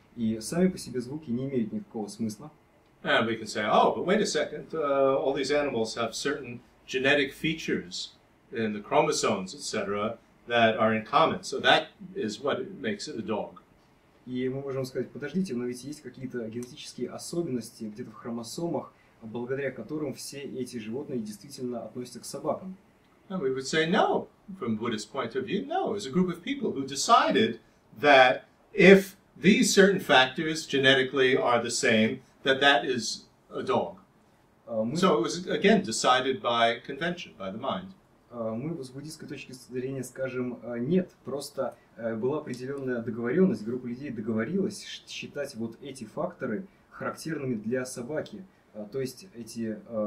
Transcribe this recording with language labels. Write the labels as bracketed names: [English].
[Russian] И сами по себе звуки не имеют никакого смысла. [English] And we can say, oh, but wait a second, all these animals have certain genetic features in the chromosomes, etc., that are in common, so that is what makes it a dog. [Russian] И мы можем сказать, подождите, но ведь есть какие-то генетические особенности где-то в хромосомах, благодаря которым все эти животные действительно относятся к собакам. [English] And we would say no, from Buddhist point of view, no. It's a group of people who decided that if these certain factors genetically are the same, that that is a dog. So it was, again, decided by convention, by the mind. [Russian] Мы с буддийской точки зрения скажем нет, просто была определенная договоренность, группа людей договорилась считать вот эти факторы характерными для собаки, то есть эти...